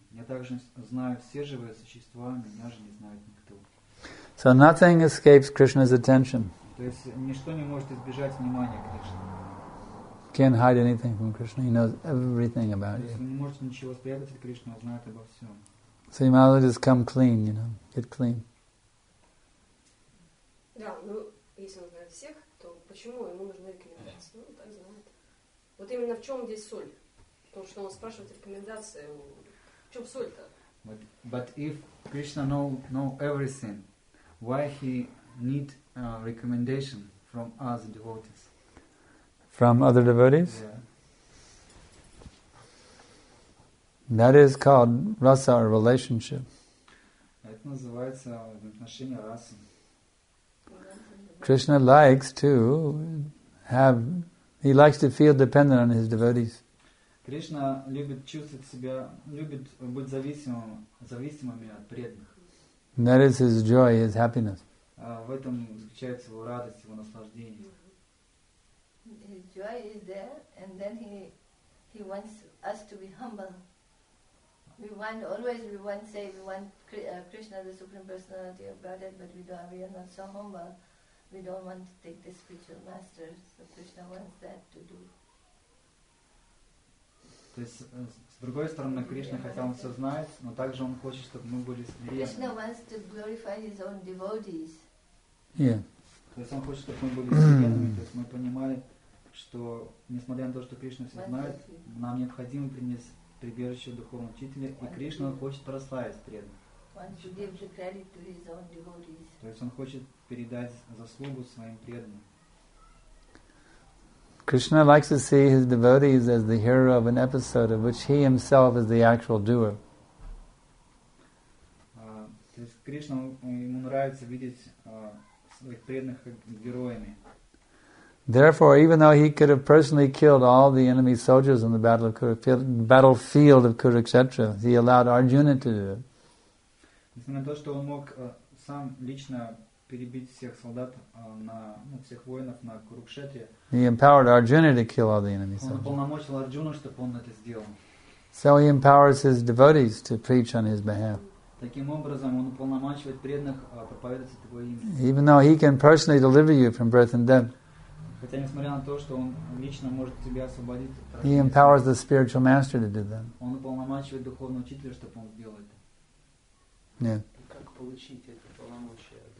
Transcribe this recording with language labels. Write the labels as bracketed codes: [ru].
[ru] Я также знаю все живые существа, меня же не знает никто». [en] So nothing escapes Krishna's attention. [ru] То есть ничто не может избежать внимания Кришны. [en] Can't hide anything from Krishna. He knows everything about you. [ru] То есть вы не можете ничего спрятать от Кришны, он знает обо всем. [en] So you might as well just come clean, you know, get clean. [ru] Да, ну, если он знает всех, то почему ему нужны рекомендации? Ну, он так знает. Вот именно в чем здесь соль? Потому что он спрашивает рекомендации. В чем соль-то? [en] But if Krishna know everything, why he need recommendation from other devotees? from other devotees? Yeah. That is called rasa, or relationship. [ru] Это называется отношение расы. [en] Krishna likes to have, he likes to feel dependent on his devotees. [ru] Krishna любит чувствовать себя, любит быть зависимым, зависимыми от преданных. [en] And that is his joy, his happiness. [ru] В этом заключается его радость, его наслаждение. [en] His joy is there, and then he wants us to be humble. We want always, we want say, we want Krishna, the Supreme Personality of Godhead, but we are not so humble. We don't want to take the spiritual master. So Krishna wants that to do. [ru] То есть, с другой стороны, Кришна, хотя он все знает, но также он хочет, чтобы мы были смиренны. [en] Krishna wants to glorify his own devotees. Yeah. [ru] То есть, он хочет, чтобы мы были смиренными, то есть, мы понимали, что, несмотря на то, что Кришна все знает, нам необходимо принести прибежище духовного учителя, и Кришна хочет прославить преданных. [en] Wants to give the credit to his own devotees. [ru] То есть, он хочет передать заслугу своим преданным. [en] Krishna likes to see his devotees as the hero of an episode of which he himself is the actual doer. [ru] Krishna, ему нравится видеть своих преданных как героями. [en] Therefore, even though he could have personally killed all the enemy soldiers on the battlefield of Kurukshetra, he allowed Arjuna to do it. [ru] Несмотря на то, что он мог сам лично перебить всех солдат всех воинов на Курукшетре. [en] He empowered Arjuna to kill all the enemy soldiers. [ru] Он уполномочил Арджуну, чтобы он это сделал. [en] So he empowers his devotees to preach on his behalf. [ru] Таким образом, он уполномочивает преданных проповедовать его имя. [en] Even though he can personally deliver you from birth and death. [ru] Хотя несмотря на то, что он лично может тебя освободить. [en] He empowers the spiritual master to do that. [ru] Он уполномочивает духовного учителя, чтобы он сделал это. Нет. Как получить это полномочие?